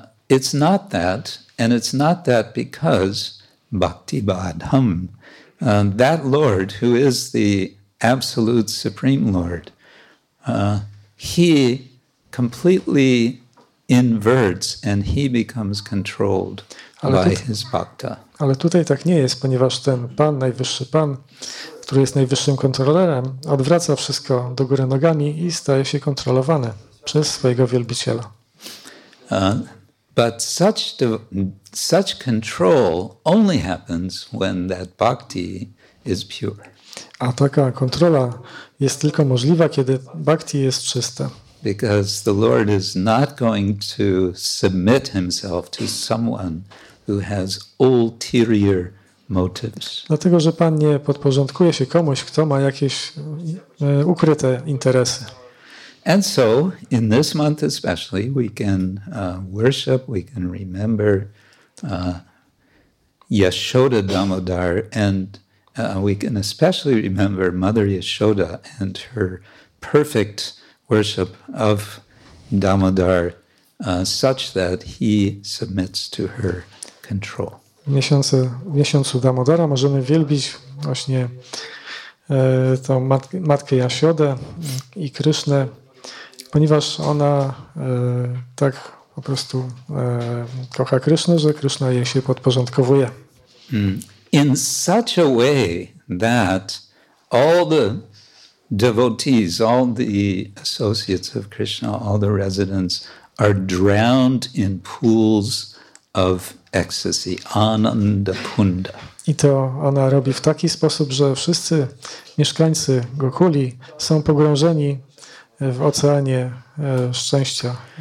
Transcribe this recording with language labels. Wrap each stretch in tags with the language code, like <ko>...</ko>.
<en>It's not that, and it's not that because Bhakti Bhadham, that Lord who is the absolute supreme Lord, he completely inverts and he becomes controlled by his bhakta.</en> <pl>Ale tutaj tak nie jest, ponieważ ten pan, najwyższy pan, który jest najwyższym kontrolerem, odwraca wszystko do góry nogami i staje się kontrolowany przez swojego wielbiciela.</pl> <en>But such control only happens when that bhakti is pure.</en> <pl>A taka kontrola jest tylko możliwa, kiedy bhakti jest czyste.</pl> <en>Because the Lord is not going to submit himself to someone who has ulterior motives.</en> <pl>Dlatego, że Pan nie podporządkuje się komuś, kto ma jakieś ukryte interesy.</pl> <en>And so, in this month especially, we can worship, we can remember Yashoda Damodar, and we can especially remember Mother Yashoda and her perfect worship of Damodar, such that he submits to her control.</en> <pl>W miesiącu Damodara możemy wielbić właśnie tą matkę Jasiodę i Krysznę, ponieważ ona tak po prostu kocha Krysznę, że Kryszna jej się podporządkowuje.</pl> <en>In such a way that all the devotees, all the associates of Krishna, all the residents are drowned in pools of ecstasy, ananda punda.</en> <pl>I to ona robi w taki sposób, że wszyscy mieszkańcy Gokuli są pogrążeni w oceanie szczęścia.</pl>